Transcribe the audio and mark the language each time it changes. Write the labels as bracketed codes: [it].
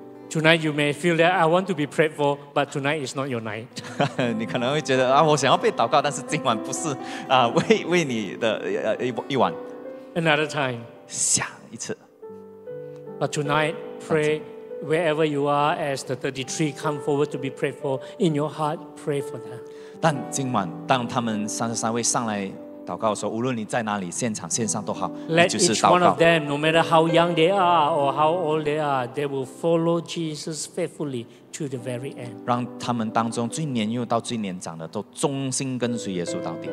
[en] tonight you may feel that I want to be prayed for, but tonight is not your night. [zh] 你可能会觉得, 啊, 我想要被祷告, 但是今晚不是, 啊, 为你的, 一晚。 [en] Another time. [zh] 想一次。 [en] But tonight, pray wherever you are as the 33 come forward to be prayed for. In your heart, pray for them. [zh] 但今晚, 当他们33位上来祷告的时候, 无论你在哪里, 现场, 线上都好, [en] let each one of them, no matter how young they are or how old they are, they will follow Jesus faithfully to the very end. [zh] 让他们当中最年幼到最年长的都忠心跟随耶稣到底。